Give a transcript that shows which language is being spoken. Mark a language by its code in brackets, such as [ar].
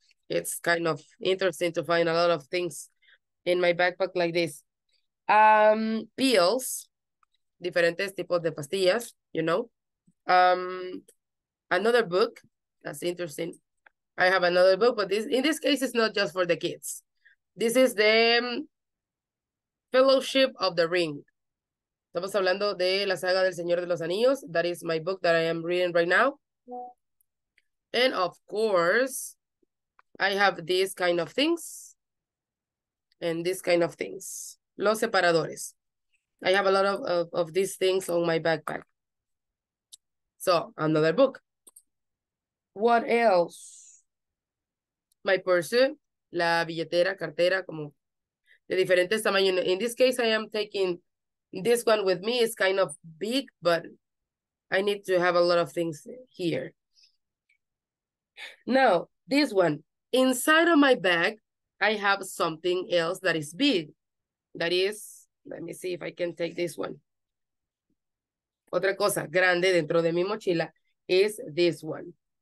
[en] It's kind of interesting to find a lot of things in my backpack like this. [es] Pills, diferentes tipos de pastillas, [en] you know. Another book, that's interesting. I have another book, but in this case, it's not just for the kids. This is the Fellowship of the Ring. [es] Estamos hablando de la saga del Señor de los Anillos. [en] That is my book that I am reading right now. Yeah. And of course, I have these kind of things and these kind of things. [es] Los separadores. [en] I have a lot of these things on my backpack. So, another book. What else? My purse, [es] la billetera, cartera, como de diferentes tamaños. [en] In this case, I am taking this one with me. It's kind of big, but I need to have a lot of things here. Now, this one. Inside of my bag, I have something else that is big. That is, let me see if I can take this one. [es] Otra cosa grande dentro de mi mochila [en] is this one.